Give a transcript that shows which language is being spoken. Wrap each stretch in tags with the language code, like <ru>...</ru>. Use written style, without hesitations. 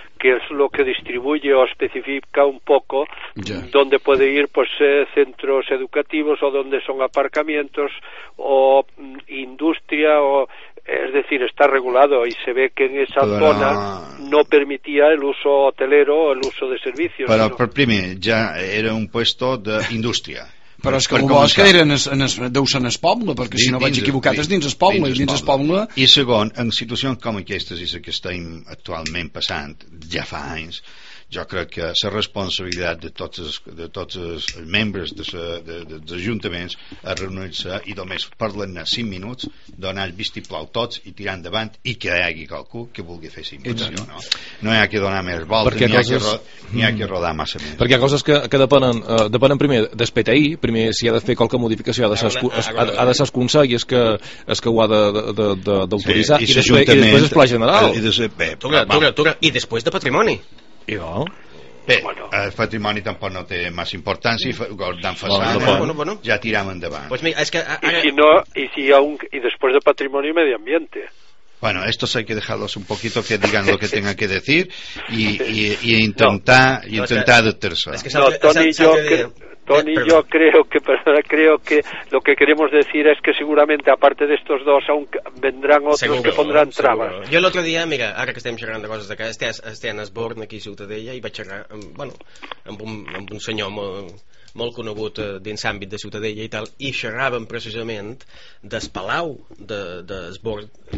<es>que es lo que distribuye o especifica un poco dónde puede ir pues centros educativos o dónde son aparcamientos o industria o es decir, está regulado y se ve que en esa zona no permitía el uso hotelero o el uso de servicios. Pero por primer ya era un puesto de industria.</es> <ca>Però és que el bosc deu ser en el poble, perquè si no vaig equivocat és dins el poble. I segon, en situacions com aquestes i la que estem actualment passant ja fa anys, jo crec que la responsabilitat de tots els membres dels ajuntaments a reunir-se i només parlen-ne 5 minuts, donar el vistiplau tots i tirar endavant i que hi hagi qualcú que vulgui fer la inversió. No hi ha que donar més voltes, ni hi ha que rodar massa més. Perquè hi ha coses que depenen primer del PTI, primer si ha de fer qualque modificació, ha de s'esconsar i és que ho ha d'autoritzar, sí, i després el pla general. I després de patrimoni. Jo. Bé, bueno. El patrimoni tampoc no té massa importància, guardant façana, bueno. Ja tiram endavant. Pues mira, és que i després de patrimoni i medi ambient.</ca> <es>Bueno, estos hay que dejarlos un poquito que digan lo que tengan que decir y intentar adaptarse.</es> <ca>Es que no, Toni, jo</ca> <es>Tony, yo creo que, lo que queremos decir es que seguramente, aparte de estos dos, aún vendrán otros seguro, que pondrán trabas.</es> <ca>Jo l'altre dia, mira, ara que estem xerrant de coses de casa, estem a Esborn, aquí a Ciutadella, i vaig xerrar amb, bueno, amb un senyor molt conegut dins l'àmbit de Ciutadella i tal, i xerraven precisament del palau d'Esborn,</ca>